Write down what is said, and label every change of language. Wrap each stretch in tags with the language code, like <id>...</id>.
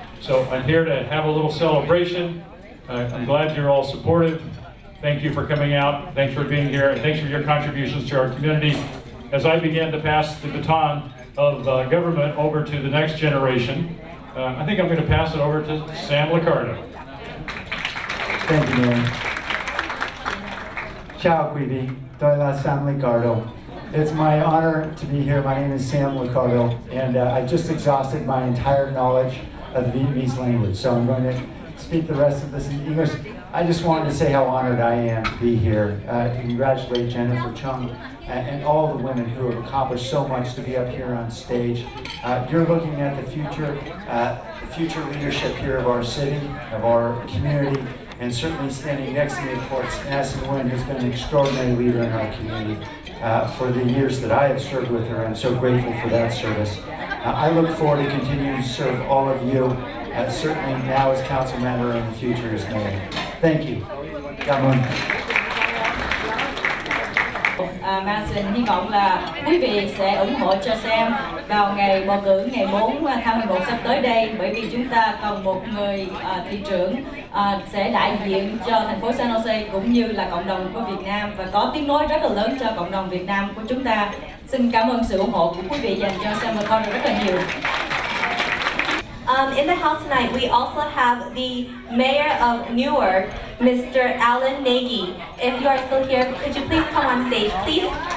<en>So I'm here to have a little celebration. I'm glad you're all supportive. Thank you for coming out. Thanks for being here, and thanks for your contributions to our community. As I begin to pass the baton of government over to the next generation, I think I'm going to pass it over to Sam Liccardo. Thank you, man.</en> <vi>Chào quý vị, tôi là Sam Liccardo.</vi> <en>It's my honor to be here. My name is Sam Liccardo, and I just exhausted my entire knowledge of the Vietnamese language, so I'm going to speak the rest of this in English. I just wanted to say how honored I am to be here, to congratulate Jennifer Chung and all the women who have accomplished so much to be up here on stage. You're looking at the future leadership here of our city, of our community, and certainly standing next to me, of course, Madison Nguyen has been an extraordinary leader in our community for the years that I have served with her. I'm so grateful for that service. I look forward to continuing to serve all of you, certainly now as council member and in the future as mayor. Thank you.</en> <vi>Cảm ơn. Madison, hy vọng là quý vị sẽ ủng hộ cho Sam vào ngày bầu cử ngày 4 tháng 11 sắp tới đây, bởi vì chúng ta cần một người thị trưởng sẽ đại diện cho thành phố San Jose cũng như là cộng đồng của Việt Nam và có tiếng nói rất là lớn cho cộng đồng Việt Nam của chúng ta. Xin cảm ơn sự ủng hộ của quý vị dành cho Sam Liccardo rất là nhiều.</vi> <en>In the house tonight, we also have the mayor of Newark, Mr. Alan Nagy. If you are still here, could you please come on stage, please?</en>